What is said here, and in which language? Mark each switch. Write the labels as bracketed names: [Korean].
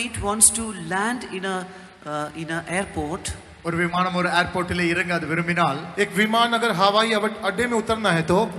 [English] Now if a flight wants to land in an airport [Tamil] ஒரு விமானம் ஒரு ஏர்போர்ட்டிலே இறங்காது விரும்பினால் [Hindi] एक विमान अगर हवाई अड्डे में उतरना है तो